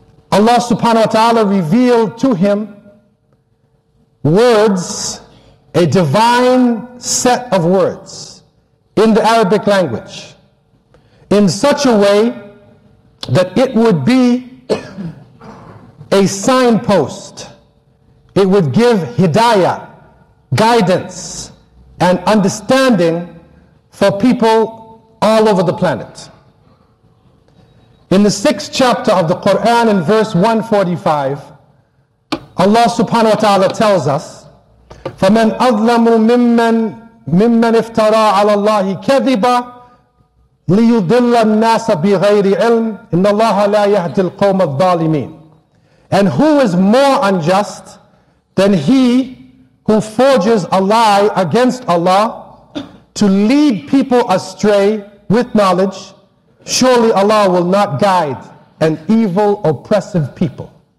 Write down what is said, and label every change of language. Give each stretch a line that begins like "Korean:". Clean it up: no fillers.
English: Allah subhanahu wa ta'ala revealed to him words, a divine set of words in the Arabic language, in such a way that it would be a signpost. It would give hidayah, guidance, and understanding for people all over the planet. In the sixth chapter of the Quran, in verse 145, Allah subhanahu wa ta'ala tells us,
Arabic: فَمَنْ أَظْلَمُ مِمَّنْ افْتَرَى عَلَى اللَّهِ كَذِبًا لِيُضِلَّ النَّاسَ بِغَيْرِ عِلْمٍ إِنَّ اللَّهَ لَا يَهْدِي الْقَوْمَ الظَّالِمِينَ.
English: And who is more unjust than he who forges a lie against Allah to lead people astray with knowledge? Surely Allah will not guide an evil, oppressive people.